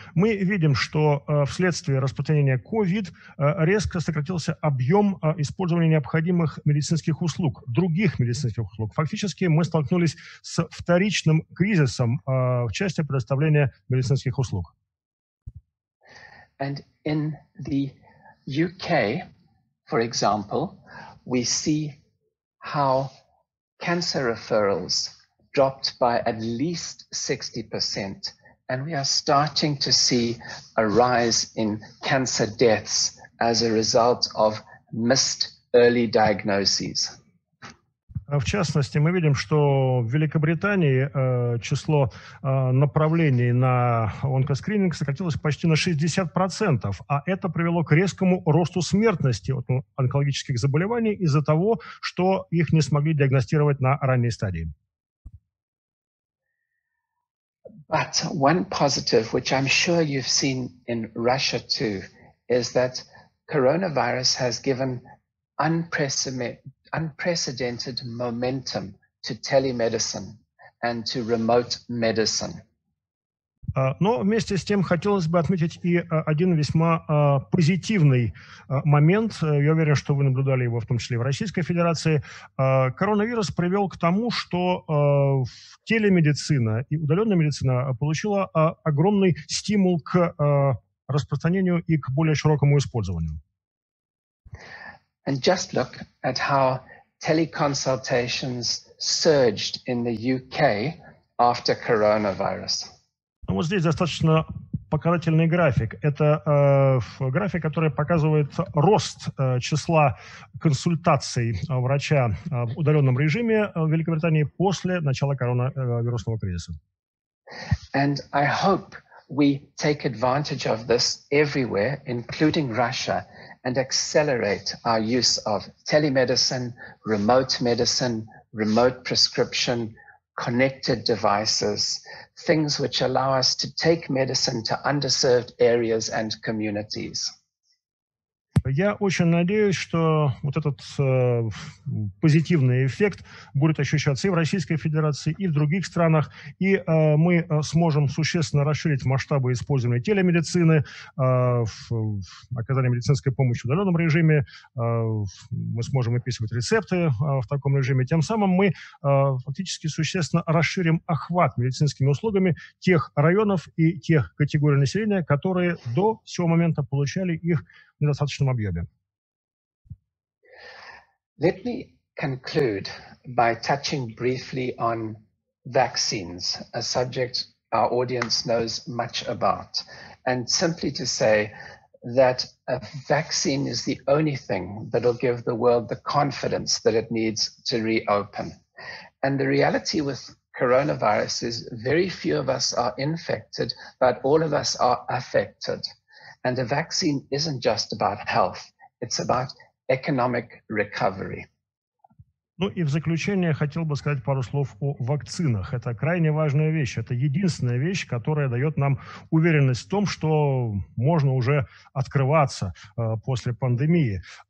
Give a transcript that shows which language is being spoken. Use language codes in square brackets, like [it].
[ru] Мы видим, что вследствие распространения COVID резко сократился объем использования необходимых медицинских услуг, других медицинских услуг. Фактически мы столкнулись с вторичным кризисом в части предоставления медицинских услуг. [en] And in the UK, for example, we see how cancer referrals dropped by at least 60%, and we are starting to see a rise in cancer deaths as a result of missed early diagnoses. [ru] В частности, мы видим, что в Великобритании число направлений на онкоскрининг сократилось почти на 60%, а это привело к резкому росту смертности от онкологических заболеваний из-за того, что их не смогли диагностировать на ранней стадии. [en] But one positive, which I'm sure you've seen in Russia too, is that coronavirus has given unprecedented momentum to telemedicine and to remote medicine. [ru] Но вместе с тем хотелось бы отметить и один весьма позитивный момент. Я уверен, что вы наблюдали его в том числе и в Российской Федерации. Коронавирус привел к тому, что телемедицина и удаленная медицина получила огромный стимул к распространению и к более широкому использованию. [en] And just look at how teleconsultations surged in the UK after coronavirus. [ru] Ну, вот здесь достаточно показательный график. Это график, который показывает рост числа консультаций врача в удаленном режиме в Великобритании после начала коронавирусного кризиса. [en] And I hope we take advantage of this everywhere, including Russia, and accelerate our use of telemedicine, remote prescription, connected devices, things which allow us to take medicine to underserved areas and communities. [ru] Я очень надеюсь, что вот этот позитивный эффект будет ощущаться и в Российской Федерации, и в других странах, и мы сможем существенно расширить масштабы использования телемедицины, оказания медицинской помощи в удаленном режиме, мы сможем выписывать рецепты в таком режиме. Тем самым мы фактически существенно расширим охват медицинскими услугами тех районов и тех категорий населения, которые до сего момента получали их в недостаточном объеме. [en] Let me conclude by touching briefly on vaccines, a subject our audience knows much about, and simply to say that a vaccine is the only thing that will give the world the confidence that it needs to reopen. And the reality with coronavirus is very few of us are infected, but all of us are affected. And a vaccine isn't just about health, it's about economic recovery. [ru] Ну и в заключение хотел бы сказать пару слов о вакцинах. Это крайне важная вещь. Это единственная вещь, которая дает нам уверенность в том, что можно уже открываться после пандемии.